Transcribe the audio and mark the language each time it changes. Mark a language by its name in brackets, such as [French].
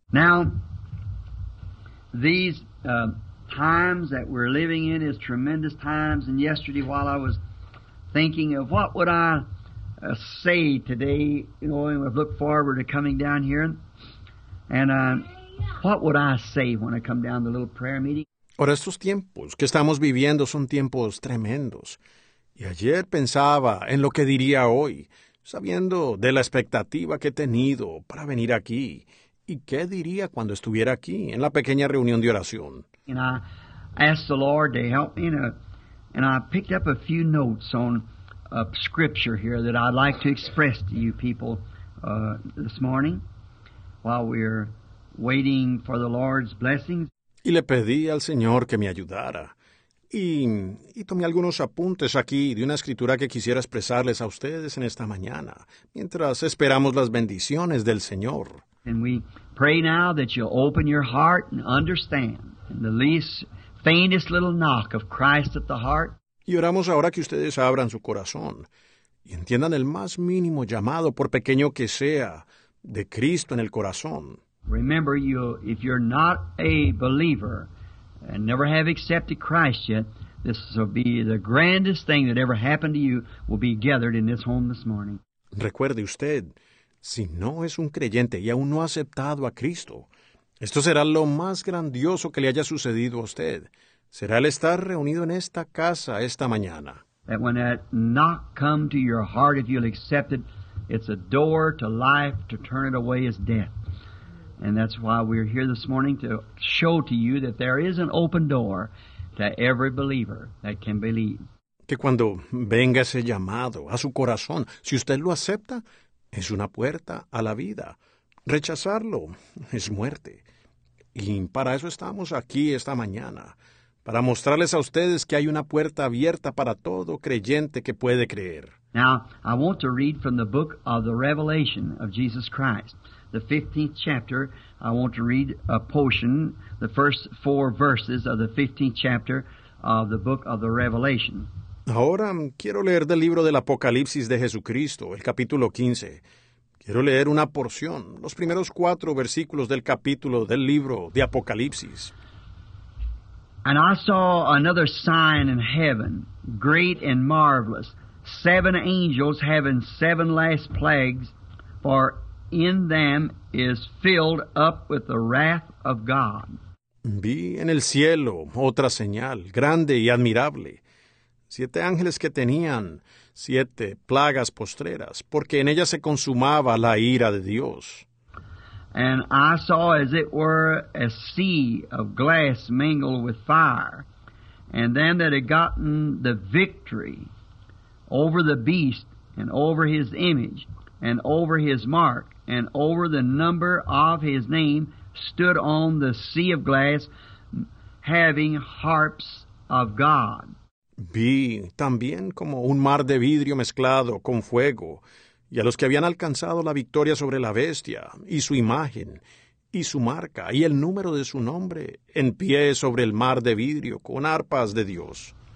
[English] Now, these times that we're living in is tremendous times. And yesterday, while I was thinking of what would I say today, you know, and look forward to coming down here, and what would I say when I come down the little prayer meeting? [Spanish] Ahora estos tiempos que estamos viviendo son tiempos tremendos. Y ayer pensaba en lo que diría hoy, sabiendo de la expectativa que he tenido para venir aquí. ¿Y qué diría cuando estuviera aquí en la pequeña reunión de oración? [English] And I asked the Lord to help me, and I picked up a few notes on a scripture here that I'd like to express to you people this morning while we're waiting for the Lord's blessings. [Spanish] Y le pedí al Señor que me ayudara. Y tomé algunos apuntes aquí de una escritura que quisiera expresarles a ustedes en esta mañana, mientras esperamos las bendiciones del Señor. [English] And we pray now that you'll open your heart and understand. And the least, faintest little knock of Christ at the heart. [Spanish] Y oramos ahora que ustedes abran su corazón y entiendan el más mínimo llamado, por pequeño que sea, de Cristo en el corazón. [English] Remember, you, if you're not a believer and never have accepted Christ yet, this will be the grandest thing that ever happened to you will be gathered in this home this morning. [Spanish] Recuerde usted, si no es un creyente y aún no ha aceptado a Cristo, esto será lo más grandioso que le haya sucedido a usted. Será el estar reunido en esta casa esta mañana. [English] That when that knock come to your heart, if you'll accept it, it's a door to life. To turn it away is death. And that's why we're here this morning to show to you that there is an open door to every believer that can believe. [Spanish] Que cuando venga ese llamado a su corazón, si usted lo acepta, es una puerta a la vida. Rechazarlo es muerte. Y para eso estamos aquí esta mañana, para mostrarles a ustedes que hay una puerta abierta para todo creyente que puede creer. [English] Now, I want to read from the book of the Revelation of Jesus Christ, the 15th chapter. I want to read a portion, the first four verses of the 15th chapter of the book of the Revelation. [Spanish] Ahora quiero leer del libro del Apocalipsis de Jesucristo, el capítulo 15. Quiero leer una porción, los primeros cuatro versículos del capítulo del libro de Apocalipsis. [English] And I saw another sign in heaven, great and marvelous, seven angels having seven last plagues, for in them is filled up with the wrath of God. [Spanish] Vi en el cielo otra señal, grande y admirable, siete ángeles que tenían siete plagas postreras, porque en ellas se consumaba la ira de Dios. [English] And I saw as it were a sea of glass mingled with fire, and them that had gotten the victory over the beast and over his image, and over his mark, and over the number of his name, stood on the sea of glass, having harps of God. [Spanish] Vi también como un mar de vidrio mezclado con fuego, y a los que habían alcanzado la victoria sobre la bestia, y su imagen, y su marca, y el número de su nombre, en pie sobre el mar de vidrio con arpas de Dios.